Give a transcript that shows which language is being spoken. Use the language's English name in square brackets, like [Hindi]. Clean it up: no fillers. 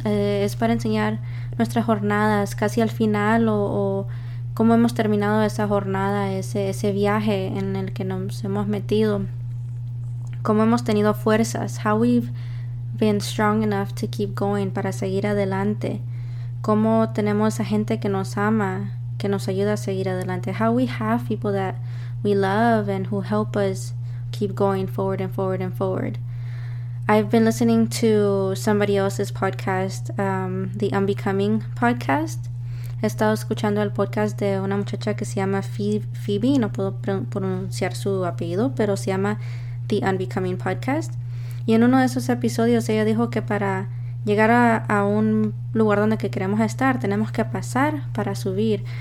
[Spanish] Es para enseñar nuestras jornadas casi al final o cómo hemos terminado esa jornada, ese viaje en el que nos hemos metido. Cómo hemos tenido fuerzas, [English] how we've been strong enough to keep going, [Spanish] para seguir adelante. Cómo tenemos a gente que nos ama, que nos ayuda a seguir adelante. [English] How we have people that we love and who help us keep going forward and forward and forward. I've been listening to somebody else's podcast, the Unbecoming podcast. [Spanish] He estado escuchando el podcast de una muchacha que se llama Phoebe. No puedo pronunciar su apellido, pero se llama The Unbecoming Podcast. Y en uno de esos episodios ella dijo que para llegar a un lugar donde que queremos estar, tenemos que pasar para subir.